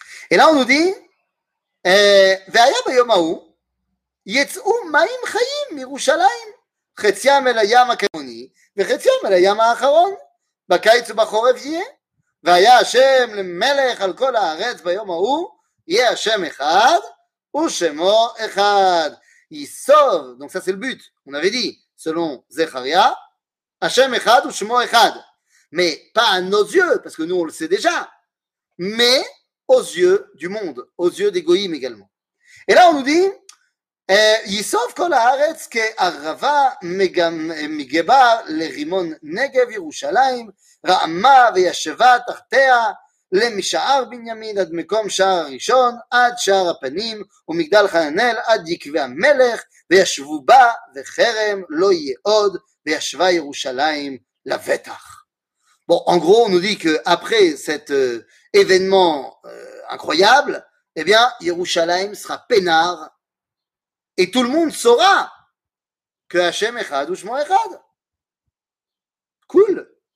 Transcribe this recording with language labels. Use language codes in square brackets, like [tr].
[fr] Et là, on nous dit, [he] Ve'aya bayomahu, yetz'u maim chayim mirushalayim, chetziam el hayam hakaroni, וחציום על הים האחרון, בקיץ ובחורף יהיה, והיה השם למלך על כל הארץ ביום ההוא, יהיה השם אחד, ושמו אחד, יסוב, [fr] donc ça c'est le but, on avait dit, selon Zechariah, [he] השם אחד ושמו אחד, [fr] mais pas à nos yeux, parce que nous on le sait déjà, mais aux yeux du monde, aux yeux des goyim également. Et là on nous dit, [he] יסוף כל הארץ כערבה מגבר לרימון נגב ירושלים רעמה וישבה תחתיה למשער בנימין עד מקום שער הראשון עד שער הפנים ומגדל חננאל עד יקבי המלך וישבו בה וחרם לא יהיה עוד וישבה ירושלים לבטח. [fr] Bon, en gros, on nous dit que après cet événement incroyable, eh bien, Yerushalayim sera peinard. Et tout le monde saura que [he] Hachem Echad ou Shmo Echad. [fr] Cool.